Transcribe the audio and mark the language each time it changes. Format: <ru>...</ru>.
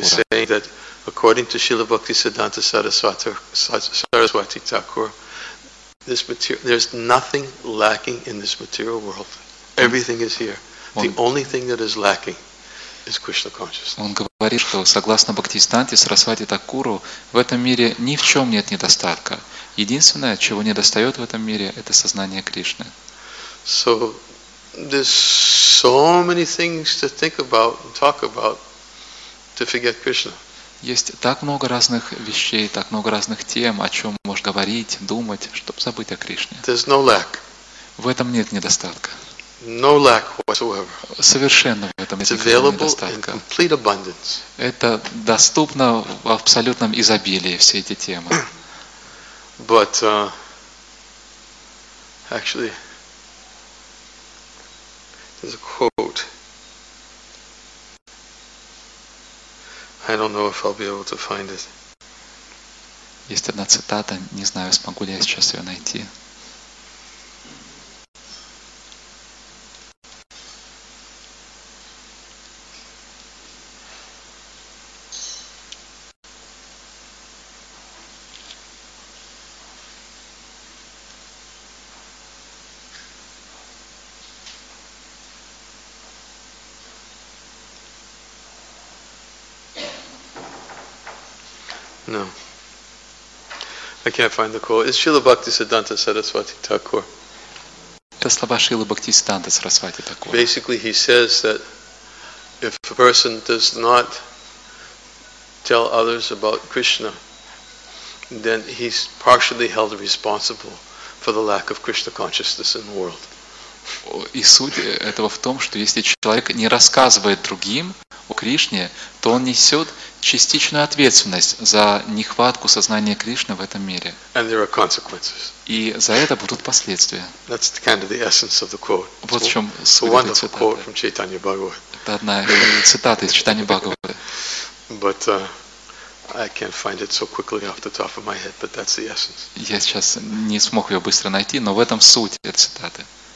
<en>He was saying that according to Шрилы Бхакти Сиддханты Сарасвати Такура, there's nothing lacking in this material world. Everything is here. The only thing that is lacking.</en> <ru>Он говорит, что согласно Бхактисиддханте Сарасвати Такуру, в этом мире ни в чем нет недостатка. Единственное, чего недостает в этом мире, это сознание Кришны.</ru> <en>So there's so many things to think about and talk about to forget Krishna.</en> <ru>Есть так много разных вещей, так много разных тем, о чем можешь говорить, думать, чтобы забыть о Кришне.</ru> <en>There's no lack.</en> <ru>В этом нет недостатка.</ru> <en>No lack whatsoever.</en> <ru>Совершенно в этом</ru> <en>It's available in complete abundance.</en> <ru>Это доступно в абсолютном изобилии все эти темы.</ru> <en>But actually, there's a quote. I don't know if I'll be able to find it.</en> <ru>Есть одна цитата, не знаю, смогу ли я сейчас ее найти.</ru> <en>I can't find the quote. It's Srila Bhaktisiddhanta Sarasvati Thakur.</en> <ru>Это слова Шрилы Бхактисиддханты Сарасвати Такура.</ru> <en>Basically, he says that if a person does not tell others about Krishna, then he's partially held responsible for the lack of Krishna consciousness in the world.</en> <ru>И суть этого в том, что если человек не рассказывает другим о Кришне, то он несет частичную ответственность за нехватку сознания Кришны в этом мире.</ru> <en>And there are consequences.</en> <ru>И за это будут последствия.</ru> <en>That's kind of the essence of the quote.</en> <ru>Вот в чем суть цитаты.</ru> <en>Wonderful quote from Chaitanya Bhagavata.</en> <ru>Это одна цитата из Чайтаньи Бхагаваты.</ru> <en>But I can't find it so quickly off the top of my head, but that's the essence.</en> <ru>Я сейчас не смог ее быстро найти, но в этом суть этой цитаты.</ru>